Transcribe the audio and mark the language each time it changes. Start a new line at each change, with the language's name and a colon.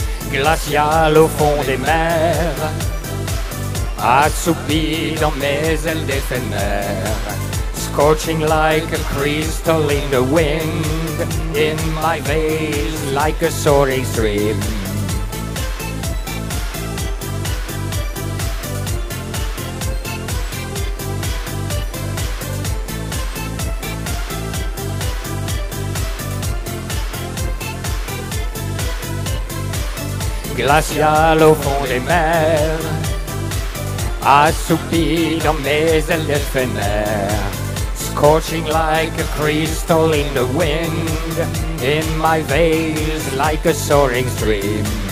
French: Glacial au fond des mers, assoupi dans mes ailes d'éphémère.
English: Scorching like a crystal in the wind. In my veins like a soaring stream.
French: Glacial au fond des mers, assoupi dans mes ailes d'éphémère.
English: Scorching like a crystal in the wind. In my veins like a soaring stream.